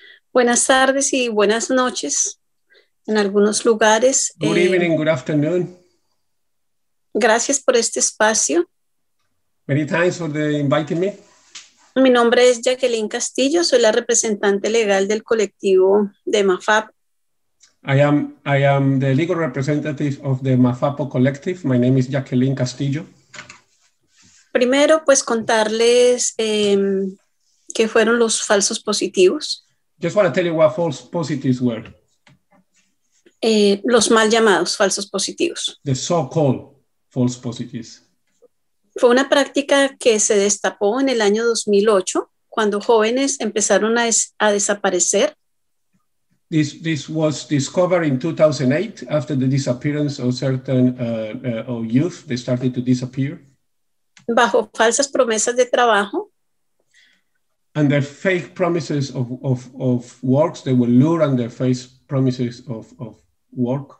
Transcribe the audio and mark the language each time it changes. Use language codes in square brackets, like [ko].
[es] Buenas tardes y buenas noches en algunos lugares. [en] Good evening, good afternoon. [es] Gracias por este espacio. [en] Many thanks for the inviting me. [es] Mi nombre es Jaqueline Castillo, soy la representante legal del colectivo de Mafapo. [en] I am the legal representative of the Mafapo collective. My name is Jaqueline Castillo. [es] Primero, pues contarles qué fueron los falsos positivos. [en] Just want to tell you what false positives were. [es] Los mal llamados falsos positivos. [en] The so-called false positives. [es] Fue una práctica que se destapó en el año 2008, cuando jóvenes empezaron a desaparecer. [en] This was discovered in 2008, after the disappearance of certain of youth, they started to disappear. [es] Bajo falsas promesas de trabajo. [en] Under fake promises of works, they were lured under false promises of work.